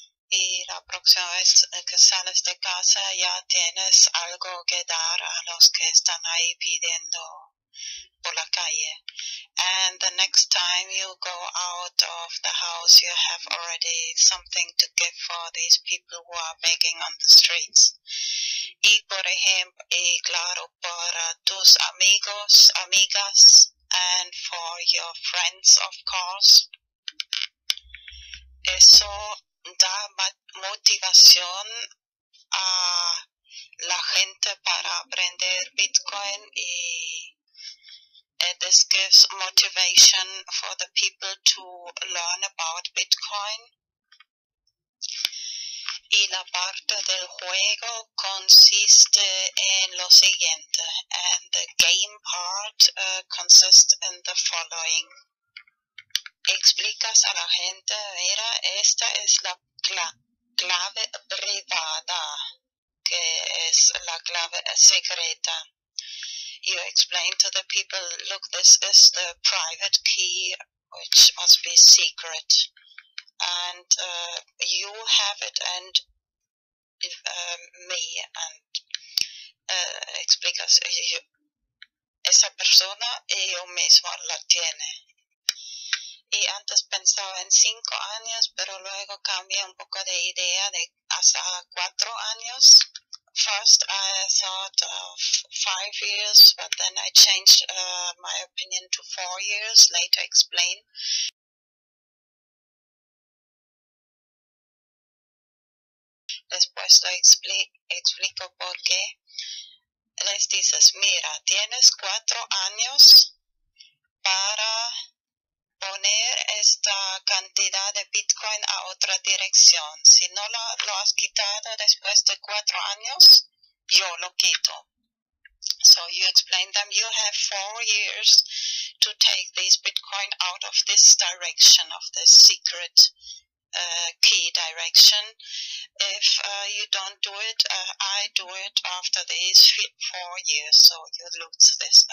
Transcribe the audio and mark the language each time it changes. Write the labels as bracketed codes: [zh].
[es] Y la próxima vez que sales de casa ya tienes algo que dar a los que están ahí pidiendo por la calle. [en] And the next time you go out of the house, you have already something to give for these people who are begging on the streets. [es] Y por ejemplo, y claro, para tus amigos, amigas, [en] and for your friends, of course. [es] Eso da motivación a la gente para aprender Bitcoin y [en] this gives motivation for the people to learn about Bitcoin. [es] Y la parte del juego consiste en lo siguiente. [en] And the game part consists in the following. [es] Explicas a la gente, mira, esta es la clave privada, que es la clave secreta. [en] You explain to the people, look, this is the private key, which must be secret. And you have it and me. [es] And explicas, esa persona y yo mismo la tiene. Y antes pensaba en 5 años, pero luego cambié un poco de idea de hasta 4 años. [en] First, I thought of 5 years, but then I changed my opinion to 4 years, later explain. [es] Después lo explico por qué. Les dices, mira, tienes 4 años para poner esta cantidad de Bitcoin a otra dirección. Si no lo has quitado después de 4 años, yo lo quito. [en] So you explain them, you have 4 years to take this Bitcoin out of this direction, of this secret key. direction. If you don't do it, I do it after these 4 years, so you lose this.